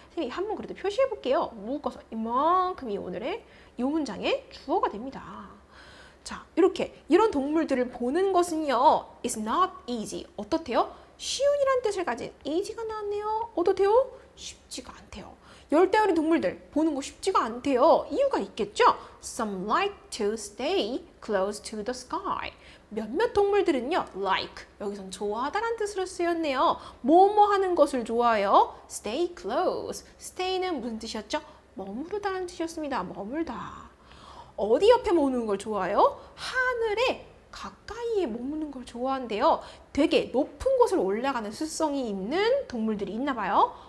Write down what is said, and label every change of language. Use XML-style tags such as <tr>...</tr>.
<ko>쌤이 한번 그래도 표시해볼게요. 묶어서 이만큼이 오늘의 이 문장의 주어가 됩니다. 자, 이렇게 이런 동물들을 보는 것은요.</ko> <en>It's not easy.</en> <ko>어떻대요? 쉬운 이란 뜻을 가진 easy가 나왔네요. 어떻대요? 쉽지가 않대요. 열대어린 동물들 보는 거 쉽지가 않대요. 이유가 있겠죠?</ko> <en>Some like to stay close to the sky.</en> <ko>몇몇 동물들은요. like 여기선 좋아하다란 뜻으로 쓰였네요. 뭐뭐 하는 것을 좋아해요? stay close. stay는 무슨 뜻이었죠? 머무르다란 뜻이었습니다. 머물다. 어디 옆에 머무는 걸 좋아해요? 하늘에 가까이에 머무는 걸 좋아한대요. 되게 높은 곳을 올라가는 습성이 있는 동물들이 있나 봐요.</ko>